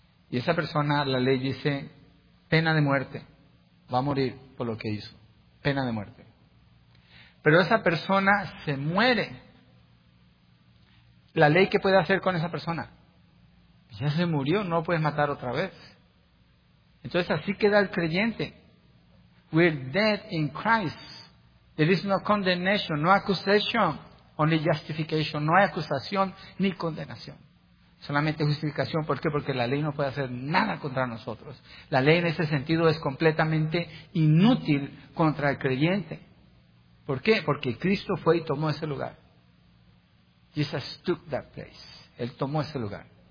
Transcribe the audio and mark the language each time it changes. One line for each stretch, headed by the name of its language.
Spanish: Y esa persona, la ley dice, pena de muerte, va a morir por lo que hizo, pena de muerte. Pero esa persona se muere. ¿La ley qué puede hacer con esa persona? Ya se murió, no lo puedes matar otra vez. Entonces así queda el creyente.
English: We're dead in Christ. There is no condemnation, no accusation, only justification.
Spanish: No hay acusación ni condenación. Solamente justificación. ¿Por qué? Porque la ley no puede hacer nada contra nosotros. La ley en ese sentido es completamente inútil contra el creyente. ¿Por qué? Porque Cristo fue y tomó ese lugar.
English: Jesus took that place.
Spanish: Él tomó ese lugar.